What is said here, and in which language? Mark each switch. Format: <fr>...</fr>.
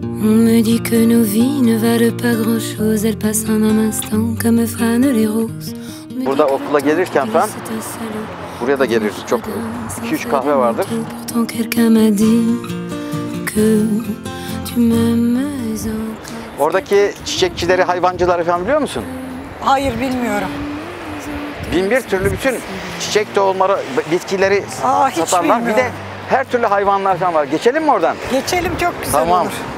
<fr>On me dit que nos vies ne valent pas grand chose, elles passent en un instant comme frâne les roses.</fr> <tr>Burada okula gelirken falan, buraya da gelir çok, 2-3 kahve vardır.</tr> <fr>Pourtant quelqu'un m'a dit que tu m'aimes.</fr> <tr>Oradaki çiçekçileri, hayvancıları falan biliyor musun? Hayır, bilmiyorum. Bin bir türlü bütün çiçek doğumları, bitkileri satarlar. Bir de her türlü hayvanlar falan var. Geçelim mi oradan? Geçelim, çok güzel tamam olur.</tr>